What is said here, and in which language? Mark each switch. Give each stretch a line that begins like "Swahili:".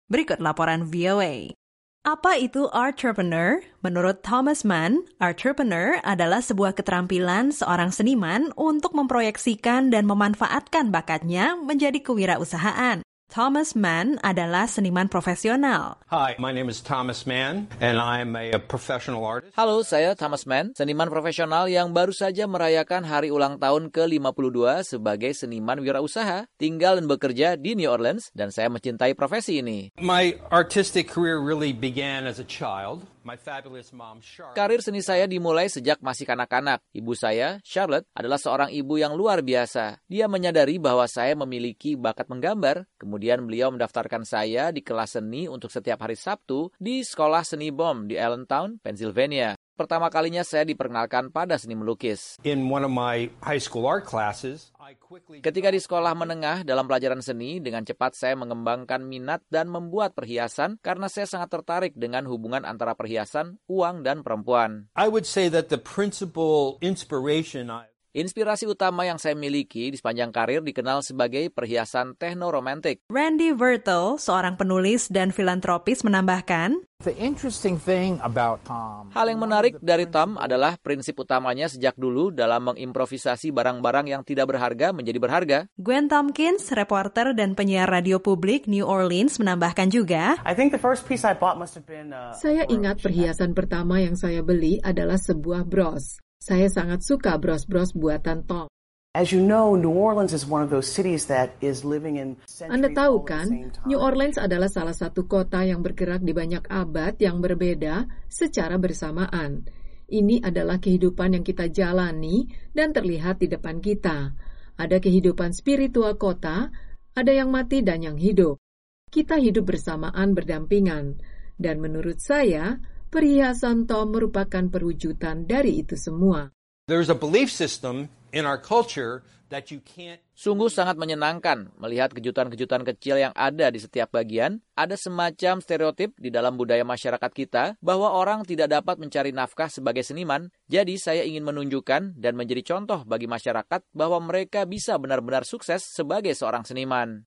Indonesian: Berikut laporan VOA. Apa itu artpreneur? Menurut Thomas Mann, artpreneur adalah sebuah keterampilan seorang seniman untuk memproyeksikan dan memanfaatkan bakatnya menjadi kewirausahaan. Thomas Mann adalah seniman profesional.
English: Hi, my name is Thomas Mann and I'm a professional artist.
Indonesian: Halo, saya Thomas Mann, seniman profesional yang baru saja merayakan hari ulang tahun ke-52 sebagai seniman wirausaha, tinggal dan bekerja di New Orleans dan saya mencintai profesi ini.
English: My artistic career really began as a child. My fabulous mom, Charlotte.
Indonesian: Karir seni saya dimulai sejak masih kanak-kanak. Ibu saya, Charlotte, adalah seorang ibu yang luar biasa. Dia menyadari bahwa saya memiliki bakat menggambar. Kemudian beliau mendaftarkan saya di kelas seni untuk setiap hari Sabtu di Sekolah Seni BOM di Allentown, Pennsylvania. Pertama kalinya saya diperkenalkan pada seni melukis.
English: In one of my high school art classes,
Indonesian: ketika di sekolah menengah dalam pelajaran seni, dengan cepat saya mengembangkan minat dan membuat perhiasan karena saya sangat tertarik dengan hubungan antara perhiasan, uang, dan perempuan.
English: I would say that the principal inspiration
Indonesian: Inspirasi utama yang saya miliki di sepanjang karir dikenal sebagai perhiasan techno-romantic. Randy Vertel, seorang penulis dan filantropis, menambahkan,
English: The interesting thing about Tom.
Indonesian: Hal yang menarik dari Tom adalah prinsip utamanya sejak dulu dalam mengimprovisasi barang-barang yang tidak berharga menjadi berharga. Gwen Tompkins, reporter dan penyiar radio publik New Orleans, menambahkan juga,
English: I think the first piece I bought must have been
Indonesian: Saya ingat perhiasan pertama yang saya beli adalah sebuah bros. Saya sangat suka bros-bros buatan Tom.
English: As you know, New Orleans is one of those cities that is living in centuries.
Indonesian: Anda tahu kan, New Orleans adalah salah satu kota yang bergerak di banyak abad yang berbeda secara bersamaan. Ini adalah kehidupan yang kita jalani dan terlihat di depan kita. Ada kehidupan spiritual kota, ada yang mati dan yang hidup. Kita hidup bersamaan berdampingan. Dan menurut saya, perhiasan Tom merupakan perwujudan dari itu semua.
English: There's a belief system in our culture that you can't.
Indonesian: Sungguh sangat menyenangkan melihat kejutan-kejutan kecil yang ada di setiap bagian. Ada semacam stereotip di dalam budaya masyarakat kita bahwa orang tidak dapat mencari nafkah sebagai seniman. Jadi saya ingin menunjukkan dan menjadi contoh bagi masyarakat bahwa mereka bisa benar-benar sukses sebagai seorang seniman.